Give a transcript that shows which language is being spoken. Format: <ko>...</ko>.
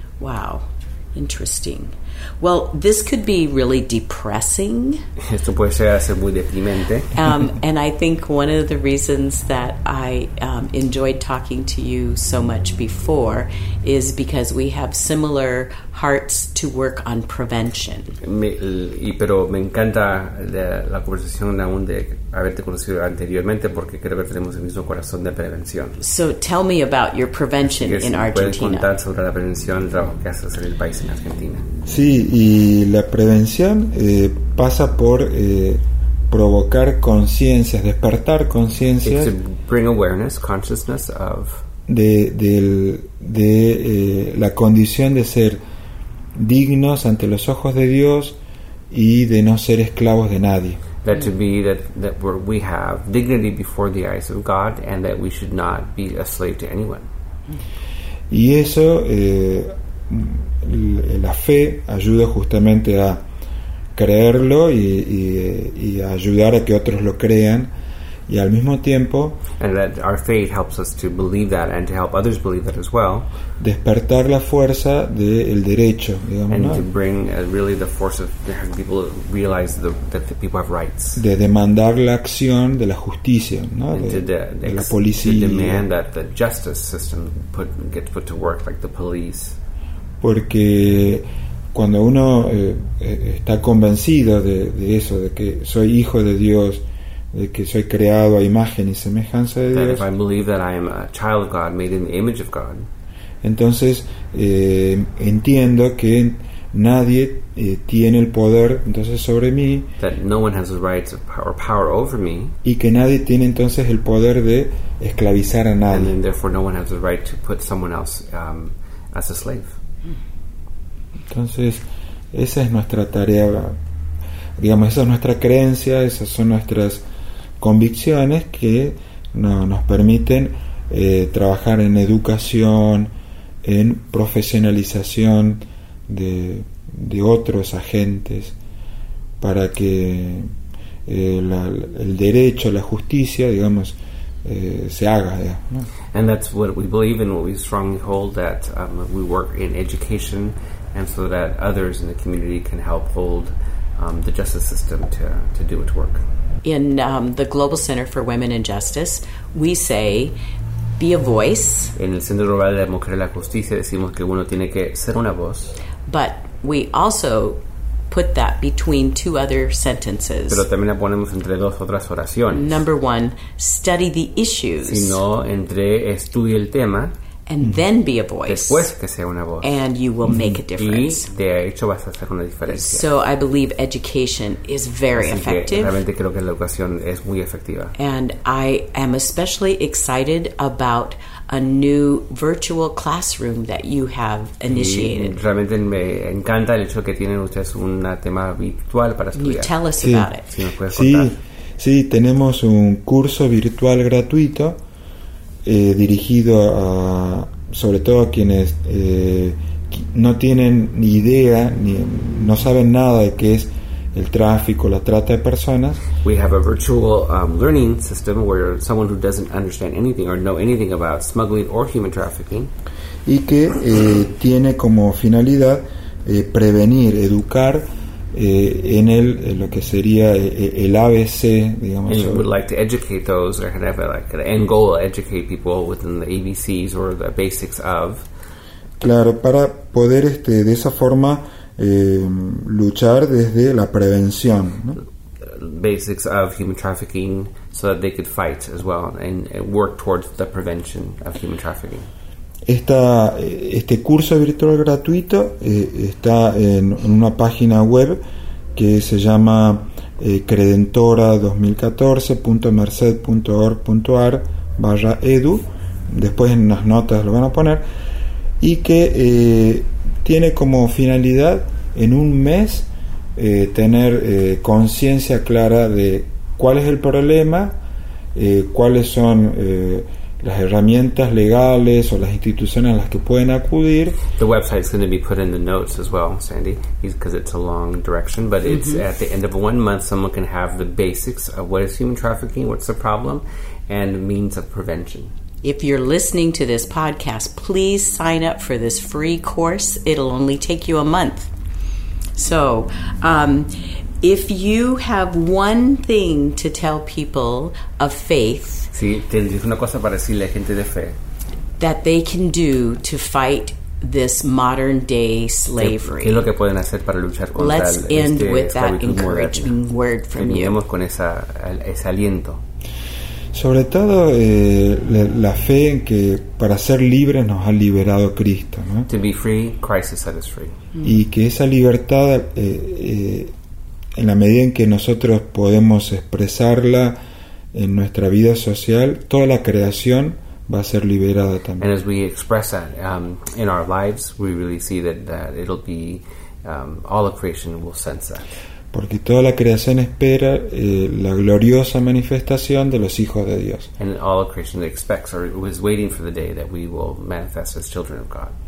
<en>Wow. Interesting. Well, this could be really depressing.</en> <es>Esto puede llegar a ser muy deprimente.</es> <en>And I think one of the reasons that I enjoyed talking to you so much before is because we have similar hearts to work on prevention.</en> <es>Pero me encanta la conversación aún de haberte conocido anteriormente porque creo que tenemos el mismo corazón de prevención.</es> <en>So tell me about your prevention</en> <es>si</es> <en>in Argentina.</en> <es>¿Puedes contar sobre la prevención del trabajo que haces en el país en Argentina? Sí, y la prevención pasa por provocar conciencias, despertar conciencias.</es> <en>Bring awareness, consciousness of.</en> <es>De la condición de ser dignos ante los ojos de Dios y de no ser esclavos de nadie.</es> <en>That to be that we have dignity before the eyes of God and that we should not be a slave to anyone.</en> <es>Y eso la fe ayuda justamente a creerlo y ayudar a que otros lo crean y al mismo tiempo</es> <en>and that our faith helps us to believe that and to help others believe that as well.</en> <es>Despertar la fuerza del derecho, digamos,</es> <en>and</en> <es>¿no?</es> <en>to bring really the force of having people realize that the people have rights.</en> <es>De demandar la acción de la justicia, ¿no? De la policía.</es> <en>To demand that the justice system gets put to work like the police.</en> <es>Porque cuando uno está convencido de eso, de que soy hijo de Dios, de que soy creado a imagen y semejanza de Dios,</es> <en>that if I believe that I am a child of God, made in the image of God,</en> <es>entonces entiendo que nadie tiene el poder entonces sobre mí,</es> <en>that no one has the rights or power over me,</en> <es>y que nadie tiene entonces el poder de esclavizar a nadie,</es> <en>and then therefore no one has the right to put someone else as a slave.</en> <es>Entonces, esa es nuestra tarea, digamos, esa es nuestra creencia, esas son nuestras convicciones que nos permiten trabajar en educación, en profesionalización de otros agentes para que el derecho, la justicia, digamos, se haga, ¿no?</es> <en>And that's what we believe and what we strongly hold, that we work in education and so that others in the community can help hold the justice system to do its work. In the Global Center for Women and Justice, we say, be a voice.</en> <es>En el Centro Global de Mujer y la Justicia decimos que uno tiene que ser una voz.</es> <en>But we also put that between two other sentences.</en> <es>Pero también la ponemos entre dos otras oraciones.</es> <en>Number one, study the issues.</en> <es>Si no, entre estudie el tema.</es> <en>and then be a voice.</en> <es>Después que sea una voz.</es> <en>And you will make a difference.</en> <es>Y de hecho vas a hacer una diferencia.</es> <en>So I believe education is very</en> <es>Así</es> <en>effective.</en> <es>Que realmente creo que la educación es muy efectiva.</es> <en>And I am especially excited about a new virtual classroom that you have initiated.</en> <es>Y realmente me encanta el hecho que tienen ustedes un tema virtual para estudiar.</es> <en>You tell us</en> <es>sí.</es> <en>about it.</en> <es>Si me puedes sí. contar. Sí, tenemos un curso virtual gratuito dirigido a, sobre todo a quienes no tienen ni idea, ni no saben nada de qué es el tráfico, la trata de personas.</es> <en>We have a virtual learning system where someone who doesn't understand anything or know anything about smuggling or human trafficking.</en> <es>Y que tiene como finalidad prevenir, educar. En el en lo que sería el ABC, digamos.</es> <en>And you would like to educate those, or kind of like an end goal, educate people within the ABCs or the basics of.</en> <es>Claro, para poder este de esa forma luchar desde la prevención. ¿No?</es> <en>Basics of human trafficking, so that they could fight as well and work towards the prevention of human trafficking.</en> <es>Esta, este curso virtual gratuito está en una página web que se llama credentora2014.merced.org.ar/edu. Después en las notas lo van a poner. Y que tiene como finalidad en un mes tener conciencia clara de cuál es el problema, cuáles son... las herramientas legales o las instituciones a las que pueden acudir.</es> <en>The website is going to be put in the notes as well, Sandy, because it's a long direction, but it's mm-hmm. at the end of 1 month, someone can have the basics of what is human trafficking, what's the problem, and means of prevention. If you're listening to this podcast, please sign up for this free course. It'll only take you a month. So, if you have one thing to tell people of faith,</en> <es>sí, tienes una cosa para decirle a gente de fe.</es> <en>That they can do to fight this modern day slavery.</en> <es>¿Qué es lo que pueden hacer para luchar contra</es> <en>Let's</en> <es>este</es> <en>end with that encouraging</en> <es>moderno.</es> <en>Word from you.</en> <es>Terminemos con esa, ese aliento. Sobre todo la fe en que para ser libres nos ha liberado Cristo, ¿no?</es> <en>To be free, Christ has set us free.</en> <es>Y que esa libertad, en la medida en que nosotros podemos expresarla en nuestra vida social, toda la creación va a ser liberada también.</es> <en>And as we express that in our lives, we really see that it'll be all of creation will sense that.</en> <es>Porque toda la creación espera la gloriosa manifestación de los hijos de Dios.</es> <en>And all of creation expects or is waiting for the day that we will manifest as children of God.</en>